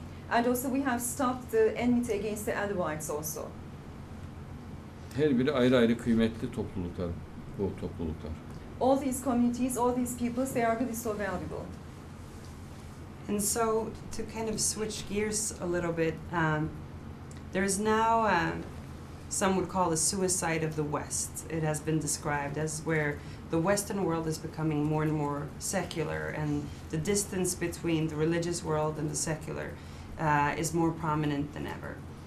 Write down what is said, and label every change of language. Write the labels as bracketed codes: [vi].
[en] And also we have stopped the enmity against the Alevites also. [tr] Her biri ayrı ayrı kıymetli topluluklar, bu topluluklar. [en] All these communities, all these peoples, they are really so valuable. And so, to kind of switch gears a little bit, there is now, some would call, a suicide of the West. It has been described as where the Western world is becoming more and more secular, and the distance between the religious world and the secular is more prominent than ever.